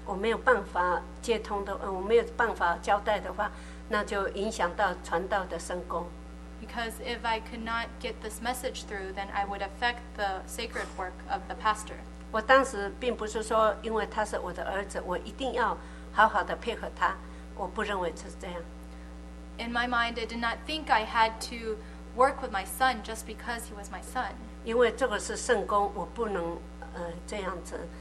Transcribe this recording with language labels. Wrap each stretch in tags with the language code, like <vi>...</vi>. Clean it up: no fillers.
<zh>我没有办法接通的，我没有办法交代的话，那就影响到传道的圣工。</zh> <en>Because if I could not get this message through, then I would affect the sacred work of the pastor.</en> <zh>我当时并不是说因为他是我的儿子，我一定要好好的配合他，我不认为是这样。</zh> <en>In my mind, I did not think I had to work with my son just because he was my son.</en> <zh>因为这个是圣工，我不能这样子，</zh>